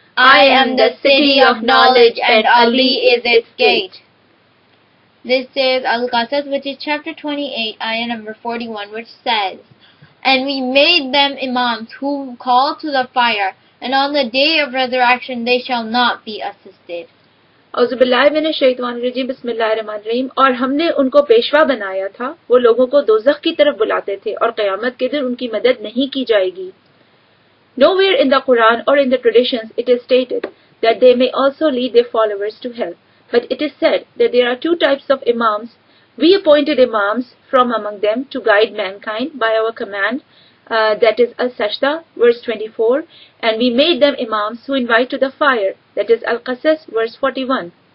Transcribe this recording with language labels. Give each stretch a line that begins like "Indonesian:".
English: I am the city of knowledge, and Ali is its gate." This is Al-Qasas, which is chapter 28, ayah number 41, which says, "And we made them imams who call to the fire, and on the day of resurrection they shall not be assisted."
Arabic: اعوذ باللہ من الشیطان الرجیم بسم اللہ الرحمن الرحیم
Urdu: اور ہم نے ان کو پیشوا بنایا تھا وہ لوگوں کو دوزخ کی طرف بلاتے تھے اور قیامت کے دن ان کی مدد نہیں کی جائے گی.
English: Nowhere in the Quran or in the traditions it is stated that they may also lead their followers to hell. But it is said that there are two types of imams. We appointed imams from among them to guide mankind by our command. That is Al-Sajda, verse 24, and we made them imams who invite to the fire, that is Al-Qasas, verse 41.